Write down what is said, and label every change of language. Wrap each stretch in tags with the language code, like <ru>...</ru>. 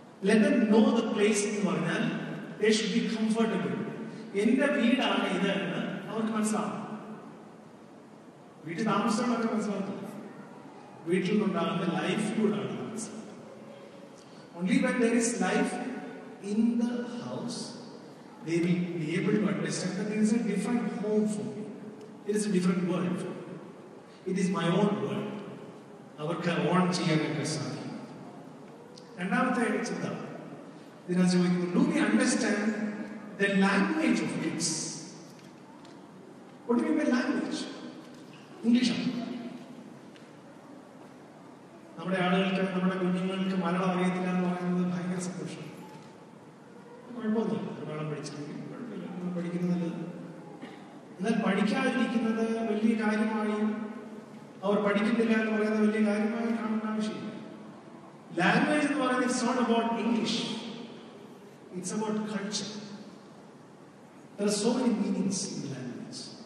<en>Let them know the place എന്ന് പറഞ്ഞാൽ they should be comfortable.</en> <ml>എന്റെ വീടാണ് ഇത് എന്ന് അവർക്ക് മനസ്സിലാവും. വീട്ടിൽ താമസം അവർക്ക് മനസ്സിലാവും, വീട്ടിൽ നിന്നുണ്ടാകുന്ന ലൈഫ് കൂടെ ആണ് മനസ്സിലാവും.</ml> <en>Only when there is life in the house, they will be able to understand that there is a different home for me. It is a different world. It is my own world. അവർക്ക് own ചെയ്യാനൊക്കെ സാധിക്കും. രണ്ടാമത്തെ ചിന്ത, do we understand the language of kids? What do you mean by language? English.</en> <ml>നമ്മുടെ ആളുകൾക്ക് നമ്മുടെ കുഞ്ഞുങ്ങൾക്ക് മലയാളം അറിയത്തില്ല എന്ന് പറയുന്നത് ഭയങ്കര സന്തോഷം. കുഴപ്പമൊന്നുമില്ല, മലയാളം പഠിച്ചിട്ടില്ല, പഠിക്കുന്നത് നല്ലത്. എന്നാൽ പഠിക്കാതിരിക്കുന്നത് വലിയ കാര്യമായും അവർ പഠിക്കുന്നില്ല എന്ന് പറയുന്നത് വലിയ കാര്യമായും കാണുന്ന ആവശ്യമില്ല.</ml> <en>Language എന്ന് പറയുന്നത് it's not about English, it's about culture. There are so many meanings in the language.</en>